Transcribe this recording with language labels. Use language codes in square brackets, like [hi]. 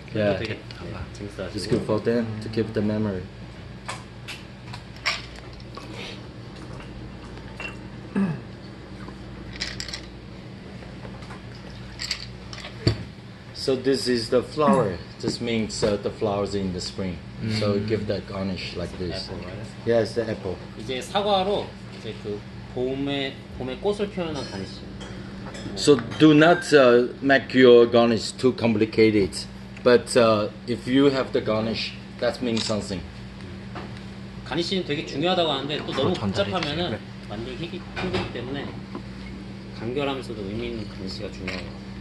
[ko] 그게 yeah. 되게 재밌어요. [en] It's good for them to keep the memory. So So this is the flower. This means the flowers in the spring. Mm. So give that garnish like this. Apple. Yes, the apple. [ko] 이제 사과로 이제 그 봄의 꽃을 표현한 가니쉬. [en] So do not make your garnish too complicated. But if you have the garnish, that means something. [ko] 가니쉬는 되게 중요하다고 하는데 또 너무 복잡하면 만들기 힘들기 때문에 간결하면서도 의미 있는 가니쉬가 중요해요.